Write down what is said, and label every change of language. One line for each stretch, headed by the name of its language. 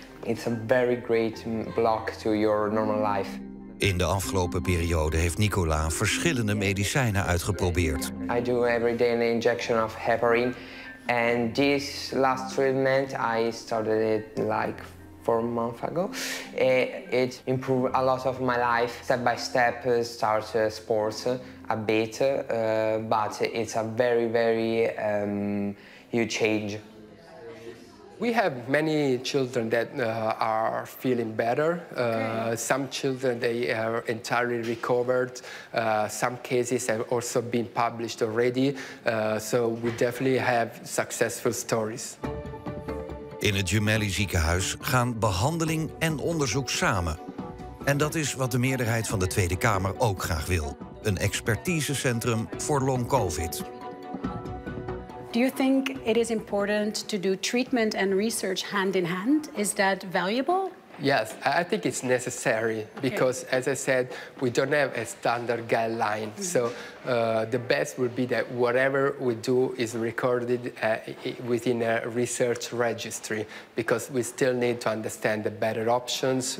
English: It's a very great block to your normal life.
Dutch: In de afgelopen periode heeft Nicola verschillende medicijnen uitgeprobeerd.
English: I do every day an injection of heparin. And this last treatment, I started it like 4 months ago. It improved a lot of my life. Step by step, start sports a bit, but it's a very, very huge change. We have many children that are feeling better. Some children, they are entirely recovered. Some cases have also been published already. So we definitely have successful stories.
Dutch: In het Gemelli-ziekenhuis gaan behandeling en onderzoek samen. En dat is wat de meerderheid van de Tweede Kamer ook graag wil. Een expertisecentrum voor long-covid.
English: Do you think it is important to do treatment and research hand in hand? Is that valuable? Yes, I think it's necessary because, okay. as I said, we don't have a standard guideline. Mm-hmm. So the best would be that whatever we do is recorded within a research registry, because we still need to understand the better options.